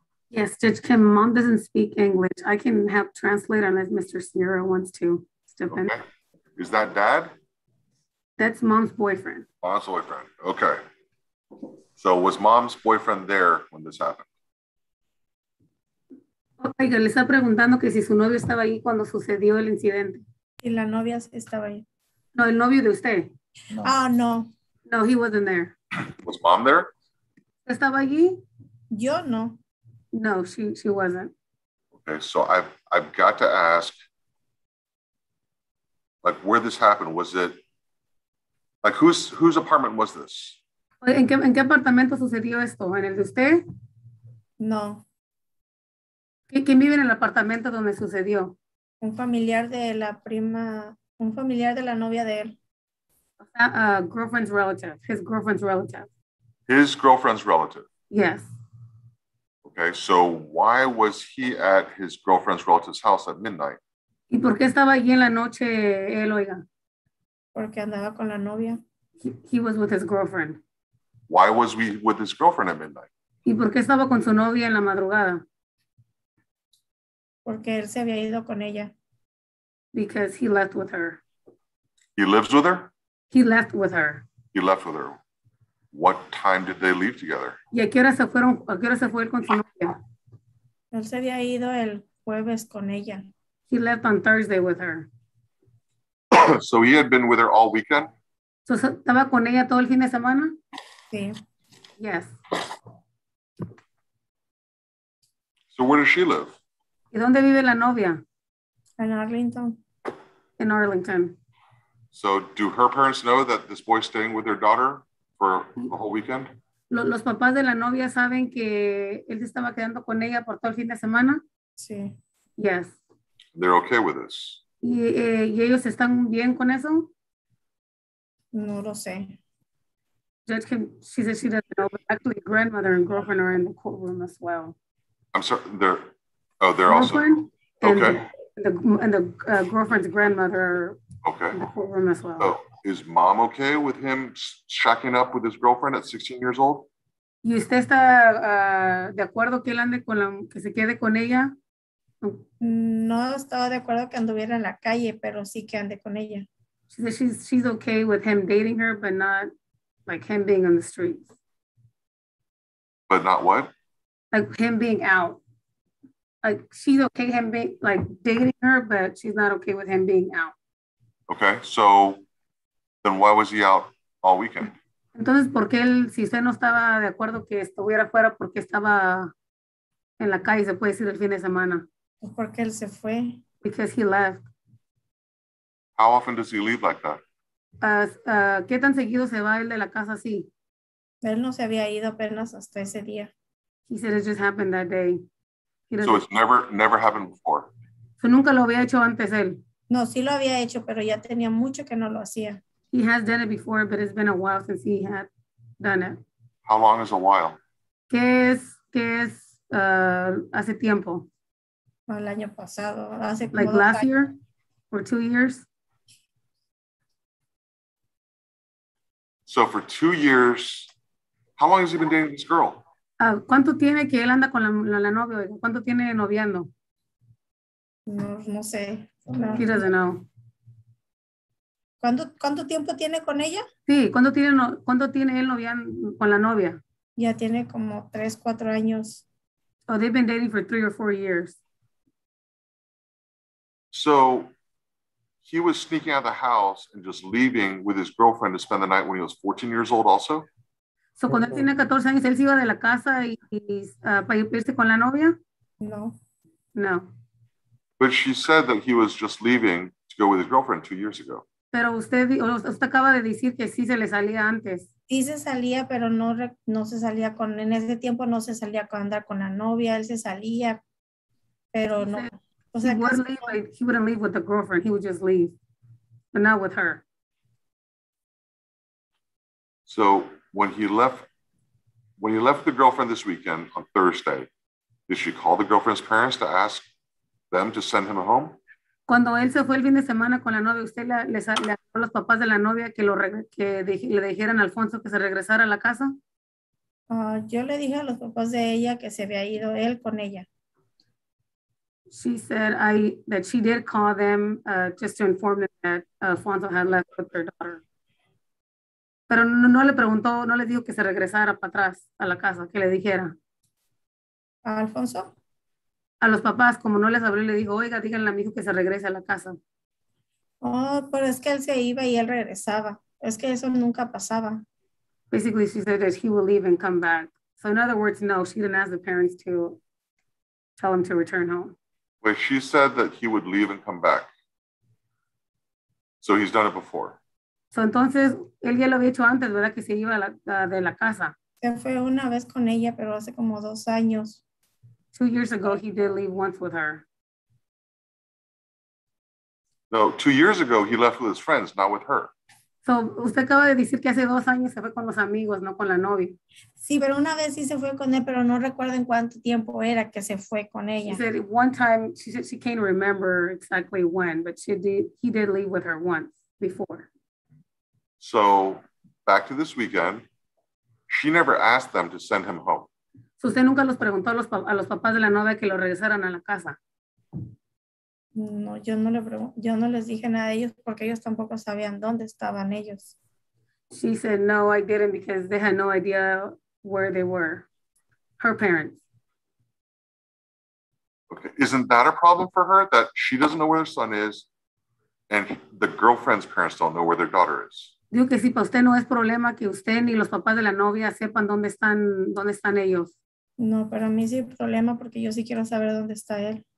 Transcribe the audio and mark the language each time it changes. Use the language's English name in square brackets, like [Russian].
[English] Yes, Judge Kim. Mom doesn't speak English. I can help translate unless Mr. Sierra wants to step in. Okay. Is that dad? That's mom's boyfriend. Mom's boyfriend. Okay. So was mom's boyfriend there when this happened? [Spanish] Oiga, le está preguntando que si su novio estaba ahí cuando sucedió el incidente. Y la novia estaba ahí. No, el novio de usted. Ah, no. [English] No, he wasn't there. Was mom there? [Spanish] ¿Estaba allí? Yo no. [English] No, she wasn't. Okay, so I've got to ask, like, where this happened? Was it, like, whose apartment was this? [Spanish] ¿En qué apartamento sucedió esto? ¿En el de usted? No. ¿Quién vive en el apartamento donde sucedió? Un familiar de la prima, un familiar de la novia de él. [English] Girlfriend's relative, his girlfriend's relative. His girlfriend's relative? Yes. Okay, so why was he at his girlfriend's relative's house at midnight? [Spanish] ¿Y por qué estaba allí en la noche él, oiga? Porque andaba con la novia. [English] He was with his girlfriend. Why was he with his girlfriend at midnight? [Spanish] ¿Y por qué estaba con su novia en la madrugada? Porque él se había ido con ella. [English] Because he left with her. He lives with her? He left with her. He left with her. What time did they leave together? [Spanish] ¿Y a qué hora se fueron? ¿A qué hora se fue él con su novia? Él se había ido el jueves con ella. [English] He left on Thursday with her. So he had been with her all weekend? [Spanish] So estaba con ella todo el fin de semana? Sí. [English] Yes. So where does she live? [Spanish] ¿Y dónde vive la novia? [English] In Arlington. In Arlington. So do her parents know that this boy's staying with their daughter for the whole weekend? [Spanish] ¿Los papás de la novia saben que él estaba quedando con ella por todo el fin de semana? Sí. [English] Yes. They're okay with this. [Spanish] ¿Y ellos están bien con eso? No lo sé. [English] Judge Kim, she says she doesn't know, but actually grandmother and girlfriend are in the courtroom as well. I'm sorry, they're also? Okay. And the girlfriend's grandmother okay. in the courtroom as well. Oh, is mom okay with him shacking up with his girlfriend at 16 years old? [Spanish] ¿Y usted está de acuerdo que él ande con la, que se quede con ella? No estaba de acuerdo que anduviera en la calle, pero sí que ande con ella. [English] She says she's okay with him dating her, but not like him being on the streets. But not what? Like him being out. Like she's okay him being like dating her, but she's not okay with him being out. Okay, so then why was he out all weekend? [Spanish] Entonces, ¿por qué él, si usted no estaba de acuerdo que estuviera fuera, por qué estaba en la calle, se puede decir, el fin de semana? ¿Por qué él se fue? [English] Because he left. How often does he leave like that? [Spanish] ¿Qué tan seguido se va él de la casa así? Él no se había ido apenas hasta ese día. [English] He said it just happened that day. So it's never happened before? [Spanish] So nunca lo había hecho antes él. No, sí lo había hecho, pero ya tenía mucho que no lo hacía. [English] He has done it before, but it's been a while since he had done it. How long is a while? [Spanish] ¿Qué es hace tiempo? El año pasado, hace [English] like como last year or 2 years? So for 2 years, how long has he been dating this girl? [Spanish] ¿Cuánto tiene que él anda con la novia? ¿Cuánto tiene noviando? No sé. [English] He doesn't know. [Spanish] ¿Cuánto tiempo tiene con ella? Sí, ¿cuánto tiene él con la novia? Ya tiene como 3-4 años. [English] Oh, they've been dating for 3 or 4 years. So, he was sneaking out of the house and just leaving with his girlfriend to spend the night when he was 14 years old also? [Spanish] So, cuando él tiene 14 años, ¿él se iba de la casa y para irse con la novia? No. [English] No. But she said that he was just leaving to go with his girlfriend 2 years ago. [Spanish] Pero usted acaba de decir que sí se le salía antes. Sí se salía, pero no se salía con, en ese tiempo no se salía con andar con la novia, él se salía, pero no. O sea, [English] he wouldn't leave with the girlfriend, he would just leave, but not with her. So when he left the girlfriend this weekend on Thursday, did she call the girlfriend's parents to ask them to send him home? [Spanish] Cuando él se fue el fin de semana con la novia, ¿usted le habló a los papás de la novia que le dijeran a Alfonso que se regresara a la casa? Yo le dije a los papás de ella que se había ido él con ella. [English] She said that she did call them just to inform them that Alfonso had left with their daughter. [Spanish] Pero no le preguntó, no le dijo que se regresara para atrás a la casa, que le dijera. ¿A Alfonso? A los papás, como no les abrió, le dijo, oiga, díganle a mi hijo que se regrese a la casa. Oh, pero es que él se iba y él regresaba. Es que eso nunca pasaba. [English] Basically, she said that he will leave and come back. So in other words, no, she didn't ask the parents to tell him to return home. But she said that he would leave and come back. So he's done it before. [Spanish] So entonces, él ya lo había hecho antes, ¿verdad? Que se iba de la casa. Se fue una vez con ella, pero hace como 2 años. [English] 2 years ago, he did leave once with her. No, 2 years ago, he left with his friends, not with her. [Spanish] So, usted acaba de decir que hace 2 años se fue con los amigos, no con la novia. Sí, pero una vez sí se fue con él, pero no recuerdo en cuánto tiempo era que se fue con ella. [English] She said one time, she said she can't remember exactly when, but he did leave with her once before. So, back to this weekend, she never asked them to send him home. [Spanish] ¿Usted nunca los preguntó a los papás de la novia que lo regresaran a la casa? No, yo no les dije nada a ellos porque ellos tampoco sabían dónde estaban ellos. [English] She said, no, I didn't because they had no idea where they were. Her parents. Okay, isn't that a problem for her that she doesn't know where her son is and the girlfriend's parents don't know where their daughter is? [Spanish] Digo que sí, para usted no es problema que usted ni los papás de la novia sepan dónde están ellos. No, pero a mí sí hay problema porque yo sí quiero saber dónde está él.